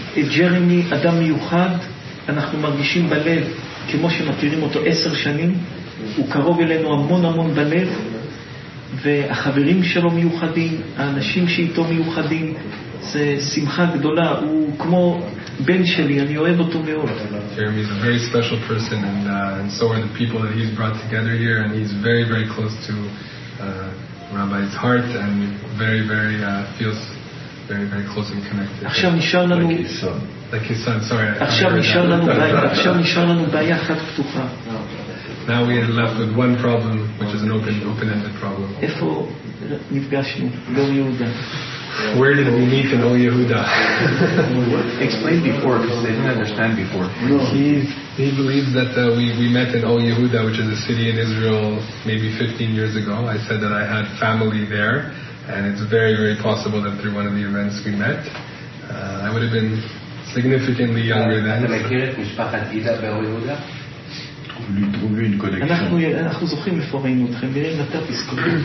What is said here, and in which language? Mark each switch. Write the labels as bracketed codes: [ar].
[he] Jeremy, אדם מיוחד, אנחנו מרגישים בלב, כמו שמכירים אותו 10 שנים, הוא קרוב אלינו המון המון בלב, והחברים שלו מיוחדים, האנשים שאיתו מיוחדים, זה שמחה גדולה, הוא כמו בן שלי, אני אוהב אותו מאוד. [en] Jeremy is a very special person, and so are the people that he's brought together here, and he's very very close to Rabbi's heart, and very very feels very very close and connected. [he] עכשיו נשאר לנו [en] like his son, sorry. [he] עכשיו נשאר לנו בעיה אחת פתוחה. [en] Now we are left with one problem, which is an open-ended problem. [he] איפה נפגשנו? לא יהודה. [en] Where did we meet in Ol Yehuda? Explain before, because they didn't understand before. No. He believes that we met in Ol Yehuda, which is a city in Israel, maybe 15 years ago. I said that I had family there, and it's very, very possible that through one of the events we met, I would have been significantly younger then. Do you know Mishpachat Ida in Ol Yehuda? [he] אנחנו זוכרים איפה ראינו אתכם, נראה אם אתה תזכרו.